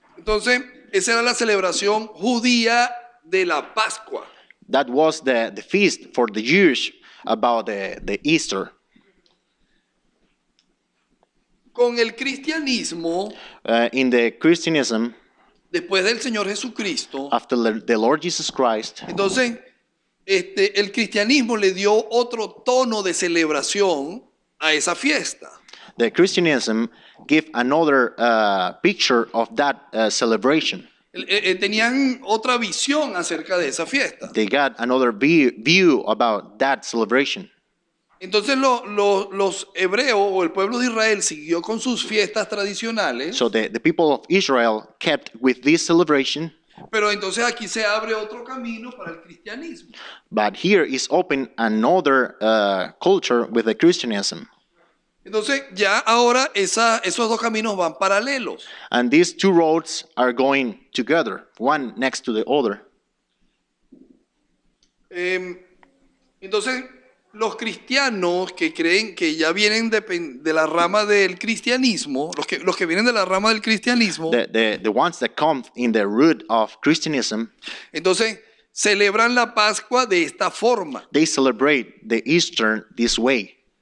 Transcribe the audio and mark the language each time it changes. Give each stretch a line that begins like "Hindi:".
Spanish: Entonces, esa era la celebración judía de la Pascua.
English: That was the feast for the Jews about the Easter.
Spanish: Con el cristianismo,
English: in the Christianism,
Spanish: después del Señor Jesucristo,
English: after the Lord Jesus Christ,
Spanish: entonces, el cristianismo le dio otro tono de celebración a esa fiesta.
English: The Christianism gave another picture of that celebration.
Spanish: Tenían otra visión acerca de esa fiesta.
English: They got another view about that celebration.
Spanish: Entonces los hebreos o el pueblo de Israel siguió con sus fiestas tradicionales.
English: So the people of Israel kept with this celebration.
Spanish: Pero entonces aquí se abre otro camino para el cristianismo.
English: But here is open another culture with the Christianism.
Spanish: Entonces ya ahora esos dos caminos van paralelos.
English: And these two roads are going together, one next to the other.
Spanish: Entonces los cristianos que creen que ya vienen de la rama del cristianismo, los que vienen de la rama del cristianismo,
English: the ones that come in the root of Christianism,
Spanish: entonces celebran la Pascua de esta forma.
English: They celebrate the Easter this way.